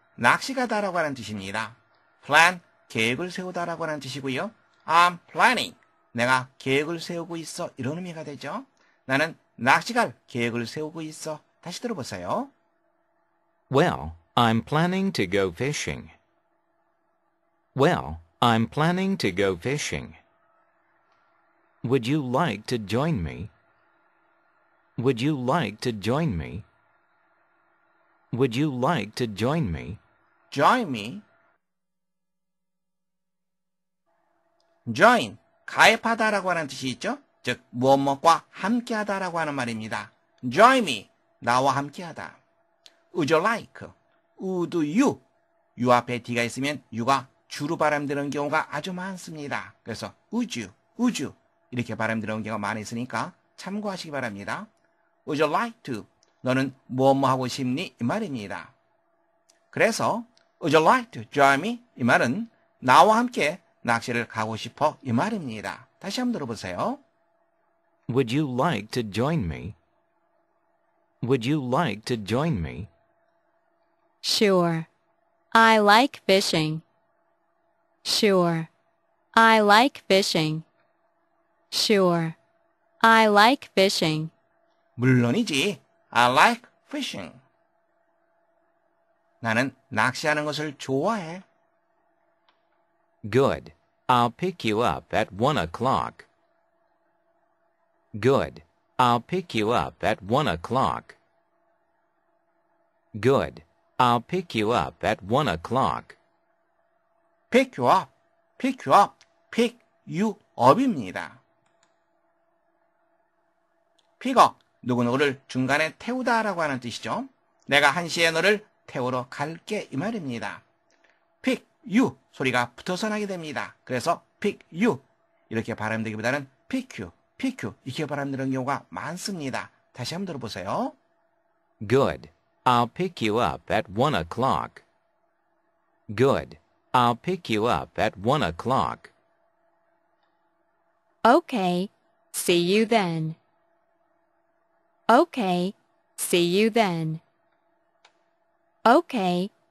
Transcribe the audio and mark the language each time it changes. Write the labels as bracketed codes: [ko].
[ko] 낚시 가다라고 하는 뜻입니다. Plan, 계획을 세우다라고 하는 뜻이고요. [en] I'm planning. [ko] 내가 계획을 세우고 있어. 이런 의미가 되죠. 나는 낚시 갈 계획을 세우고 있어. 다시 들어보세요. [en] Well, I'm planning to go fishing. Well, I'm planning to go fishing. Would you like to join me? Would you like to join me? Would you like to join me? Join me. [ko] Join, 가입하다라고 하는 뜻이 있죠? 즉, 무엇과 함께하다라고 하는 말입니다. [en] Join me, [ko] 나와 함께하다. [en] Would you like? Would you? [ko] You 앞에 D가 있으면 you가 주로 발음되는 경우가 아주 많습니다. 그래서 [en] would you, would you [ko] 이렇게 발음되는 경우가 많이 있으니까 참고하시기 바랍니다. [en] Would you like to? [ko] 너는 뭐뭐 하고 싶니? 이 말입니다. 그래서 [en] Would you like to join me? [ko] 이 말은 나와 함께 낚시를 가고 싶어 이 말입니다. 다시 한번 들어보세요. [en] Would you like to join me? Would you like to join me? Sure. I like fishing. Sure. I like fishing. Sure. I like fishing. [ko] 물론이지. [en] I like fishing. [ko] 나는 낚시하는 것을 좋아해. [en] Good. I'll pick you up at 1 o'clock. Good. I'll pick you up at 1 o'clock. Good. I'll pick you up at 1 o'clock. Pick you up. Pick you up. Pick you up입니다. Pick up. [ko] 누구누구를 중간에 태우다라고 하는 뜻이죠. 내가 1시에 너를 태우러 갈게 이 말입니다. [en] Pick you [ko] 소리가 붙어서 나게 됩니다. 그래서 Pick you 이렇게 발음되기보다는 Pick you, Pick you 이렇게 발음되는 경우가 많습니다. 다시 한번 들어보세요. [en] Good. I'll pick you up at 1 o'clock. Good. I'll pick you up at 1 o'clock. Okay. See you then. Okay. See you then. Okay.